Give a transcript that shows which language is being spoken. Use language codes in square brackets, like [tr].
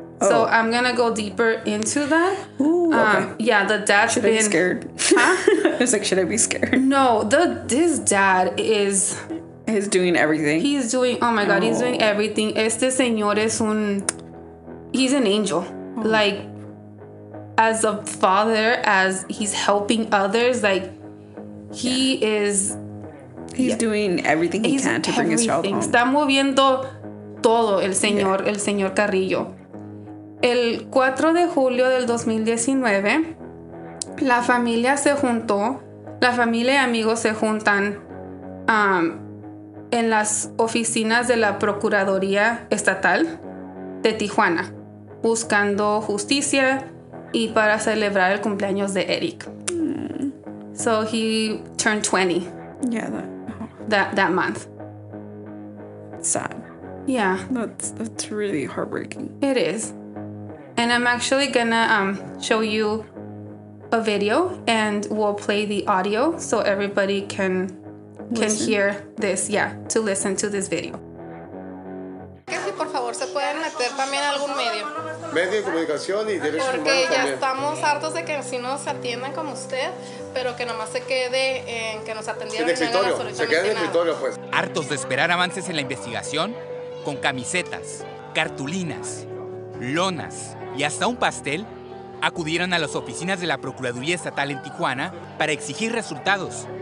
[en] Oh. So I'm going to go deeper into that. Ooh, okay. Yeah, the dad's should been... Should I be scared? Huh? I was like, should I be scared? No, this dad is... He's doing everything. He's doing... Oh, my God. Oh. He's doing everything. [es] Este señor es un... [en] He's an angel. Oh. Like, as a father, as he's helping others, like, he yeah. is... He's yeah. doing everything he he's can to bring everything. His child home. [es] Está moviendo todo el señor, yeah. el señor Carrillo. El 4 de julio del 2019, la familia se juntó, la familia y amigos se juntan en las oficinas de la Procuraduría Estatal de Tijuana, buscando justicia y para celebrar el cumpleaños de Erick. [en] Mm. So he turned 20. Yeah, that month. Sad. Yeah. That's really heartbreaking. It is. And I'm actually gonna show you a video, and we'll play the audio so everybody can hear this. Yeah, to listen to this video. [es] Que si por favor se pueden meter también algún medio. Medio de comunicación y derechos humanos. Porque ya estamos hartos de que si nos atiendan como usted, pero que nomás se quede en que nos atendieran. En el escritorio. Se queda en el escritorio, pues. Hartos de esperar avances en la investigación, con camisetas, cartulinas, lonas y hasta un pastel, acudieron a las oficinas de la Procuraduría Estatal en Tijuana para exigir resultados.